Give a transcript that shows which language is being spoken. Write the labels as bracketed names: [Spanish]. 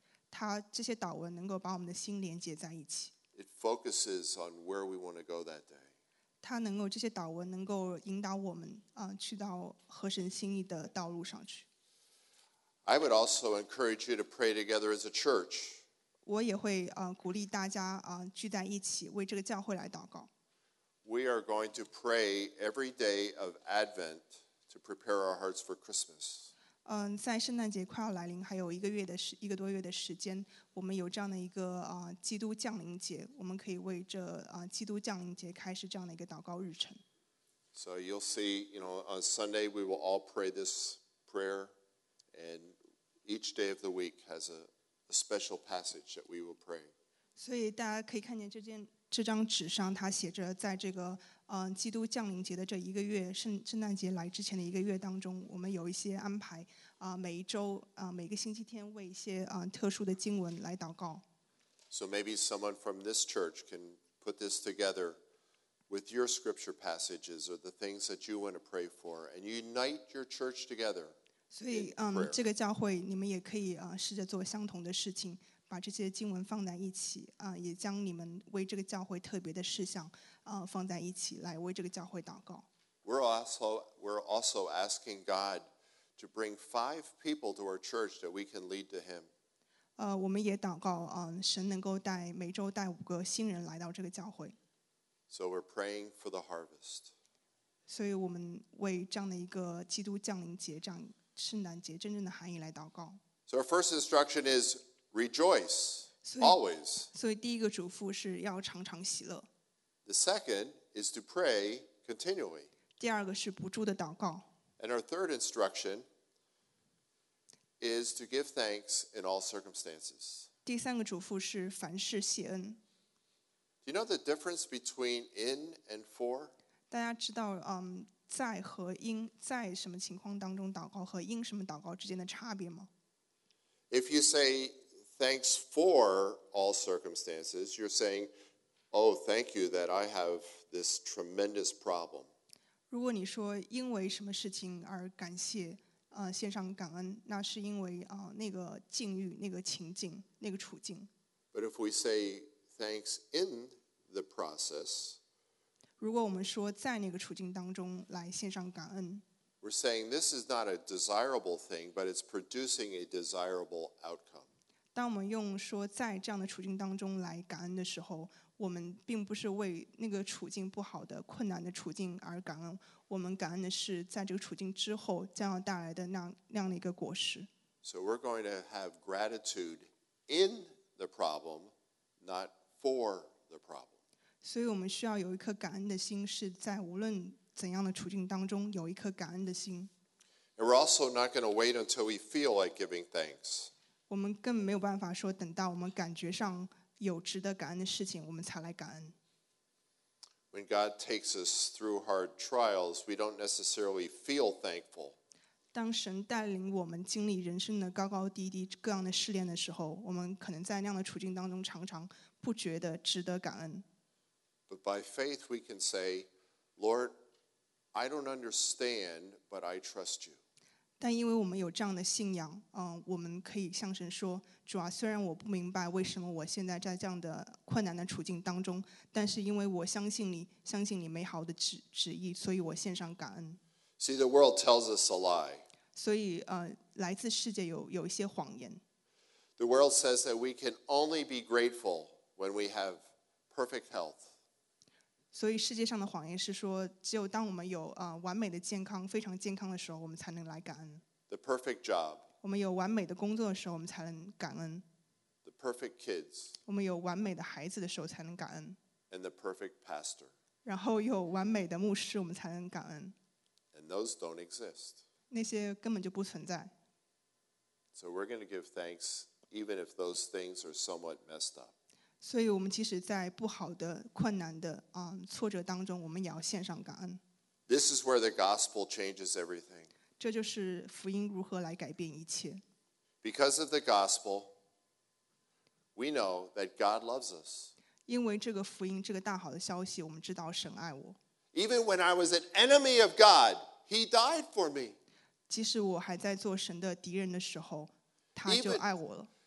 [Chinese] 它这些祷文能够把我们的心连接在一起。 [English] It focuses on where we want to go that day. [Chinese] 他能够这些祷文能够引导我们去到合神心意的道路上去。 [English] I would also encourage you to pray together as a church. [Chinese] 我也会鼓励大家聚在一起为这个教会来祷告。 [English] We are going to pray every day of Advent to prepare our hearts for Christmas. [Chinese] 在圣诞节快要来临，还有一个多月的时间，我们有这样的一个基督降临节，我们可以为这基督降临节开始这样的一个祷告日程。 [English] So you'll see, you know, on Sunday we will all pray this prayer, and each day of the week has a special passage that we will pray. [Chinese] 所以大家可以看见这张纸上，它写着在这个基督降临节的这一个月，圣诞节来之前的一个月当中，我们有一些安排每一周每个星期天为一些特殊的经文来祷告。 [English] So maybe someone from this church can put this together with your scripture passages or the things that you want to pray for and unite your church together. [Chinese] 所以这个教会你们也可以试着做相同的事情，把这些经文放在一起，也将你们为这个教会特别的事项放在一起，来为这个教会祷告。 [English] We're also asking God to bring 5 people to our church that we can lead to him. [Chinese] 我们也祷告神能够带每周带5个新人来到这个教会。 [English] So we're praying for the harvest. [Chinese] 所以我们为这样的一个基督降临节，这样圣诞节真正的含义来祷告。 [English] So our first instruction is rejoice always. [Chinese] 所以第一个嘱咐是要常常喜乐。 [English] The second is to pray continually. [Chinese] 第二个是不住的祷告。 [English] And our third instruction is to give thanks in all circumstances. [Chinese] 第三个嘱咐是凡事谢恩。 [English] Do you know the difference between in and for? [Chinese] 大家知道在和因，在什么情况当中祷告和因什么祷告之间的差别吗？ [English] If you say thanks for all circumstances, you're saying, oh, thank you that I have this tremendous problem. [Chinese] 如果你说因为什么事情而感谢献上感恩，那是因为那个境遇，那个情境，那个处境。 [English] But if we say thanks in the process, [Chinese] 如果我们说在那个处境当中来献上感恩， [English] we're saying this is not a desirable thing, but it's producing a desirable outcome. [Chinese] 当我们用说在这样的处境当中来感恩的时候，我们并不是为那个处境不好的困难的处境而感恩，我们感恩的是在这个处境之后将要带来的那样的一个果实。 [English] So we're going to have gratitude in the problem, not for the problem. [Chinese] 所以我们需要有一颗感恩的心，是在无论怎样的处境当中有一颗感恩的心。 [English] And we're also not going to wait until we feel like giving thanks. [Chinese] 我们更没有办法说等到我们感觉上有值得感恩的事情我们才来感恩。 [English] When God takes us through hard trials, we don't necessarily feel thankful. [Chinese] 当神带领我们经历人生的高高低低各样的试炼的时候，我们可能在那样的处境当中常常不觉得值得感恩。 [English] But by faith we can say, Lord, I don't understand, but I trust you. [Chinese] 但因为我们有这样的信仰，我们可以向神说，主啊，虽然我不明白为什么我现在在这样的困难的处境当中，但是因为我相信你，相信你美好的旨意，所以我献上感恩。 [English] See, the world tells us a lie. [Chinese] 所以来自世界有一些谎言。 [English] The world says that we can only be grateful when we have perfect health. [Chinese] 所以世界上的谎言是说，只有当我们有完美的健康，非常健康的时候，我们才能来感恩。 [English] The perfect job. [Chinese] 我们有完美的工作的时候我们才能感恩。 [English] The perfect kids. [Chinese] 我们有完美的孩子的时候才能感恩。 [English] And the perfect pastor. [Chinese] 然后有完美的牧师我们才能感恩。 [English] And those don't exist. [Chinese] 那些根本就不存在。 [English] So we're going to give thanks even if those things are somewhat messed up. [Chinese] 所以我们即使在不好的困难的挫折当中我们也要献上感恩。 [English] This is where the gospel changes everything. [Chinese] 这就是福音如何来改变一切。 [English] Because of the gospel, we know that God loves us. [Chinese] 因为这个福音，这个大好的消息，我们知道神爱我。 [English] Even when I was an enemy of God, He died for me. [Chinese] 即使我还在做神的敌人的时候，他就爱我了。